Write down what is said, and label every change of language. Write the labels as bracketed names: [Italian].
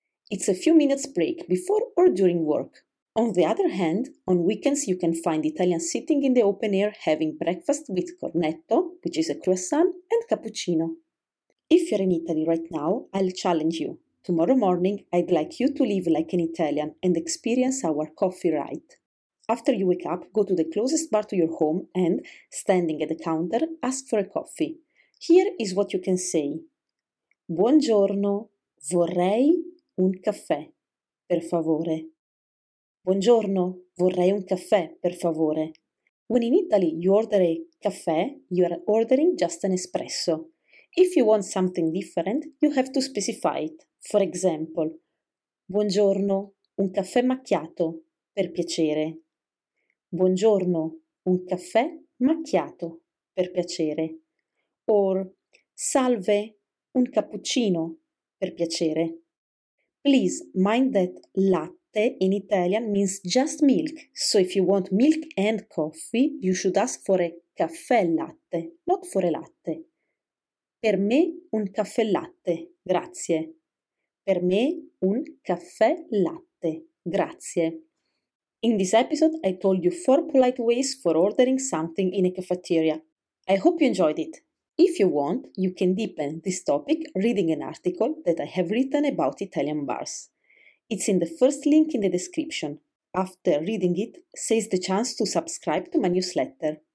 [English] It's a few minutes break before or during work. On the other hand, on weekends you can find Italians sitting in the open air having breakfast with cornetto, which is a croissant, and cappuccino. If you're in Italy right now, I'll challenge you. Tomorrow morning, I'd like you to live like an Italian and experience our coffee ride. After you wake up, go to the closest bar to your home and, standing at the counter, ask for a coffee. Here is what you can say. [Italian] Buongiorno, vorrei un caffè, per favore. Buongiorno, vorrei un caffè, per favore. [English] When in Italy you order a caffè, you are ordering just an espresso. If you want something different, you have to specify it. For example, [Italian] buongiorno, un caffè macchiato, per piacere. Buongiorno, un caffè macchiato, per piacere. Or, salve, un cappuccino, per piacere. [English] Please mind that latte in Italian means just milk, so if you want milk and coffee, you should ask for a caffè latte, not for a latte. [Italian] Per me un caffè latte, grazie. Per me un caffè latte, grazie. [English] In this episode I told you 4 polite ways for ordering something in a cafeteria. I hope you enjoyed it. If you want, you can deepen this topic reading an article that I have written about Italian bars. It's in the first link in the description. After reading it, seize the chance to subscribe to my newsletter.